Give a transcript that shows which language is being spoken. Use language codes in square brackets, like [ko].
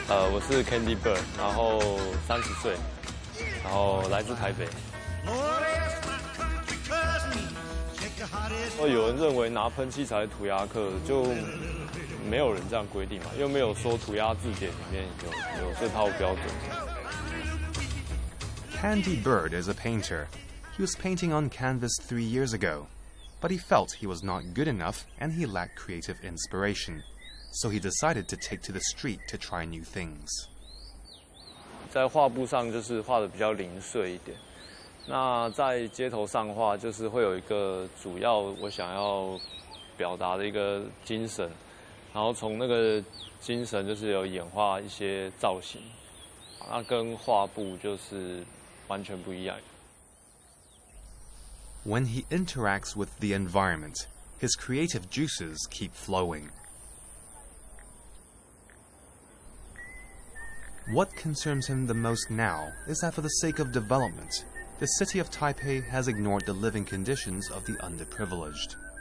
[zh] 我是 Candy Bird， 然后30岁。然后来自台北。有人认为拿喷漆才是涂鸦客，就没有人这样规定嘛，又没有说涂鸦字典里面有这套标准。 [en] Candy Bird is a painter. He was painting on canvas 3 years ago, but he felt he was not good enough and he lacked creative inspiration. So he decided to take to the street to try new things. [zh] 在画布上就是画的比较零碎一点，那在街头上画就是会有一个主要我想要表达的一个精神，然后从那个精神就是有演化一些造型，那跟画布就是完全不一样。 [en] When he interacts with the environment, his creative juices keep flowing. What concerns him the most now is that for the sake of development, the city of Taipei has ignored the living conditions of the underprivileged.